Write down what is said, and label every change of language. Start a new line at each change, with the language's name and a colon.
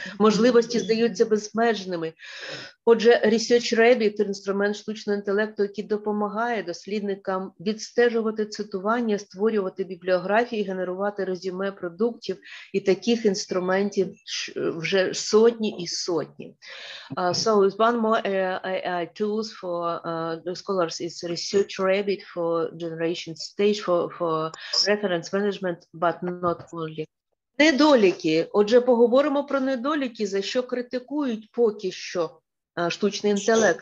Ukrainian: Можливості здаються безмежними. Отже, ResearchRabbit – інструмент штучного інтелекту, який допомагає дослідникам відстежувати цитування, створювати бібліографії, генерувати резюме продуктів, і таких інструментів вже сотні і сотні.
English: So it's one more AI tools for the scholars. It's ResearchRabbit for generation stage for reference management, but not only.
Ukrainian: Недоліки. Отже, поговоримо про недоліки, за що критикують поки що штучний інтелект.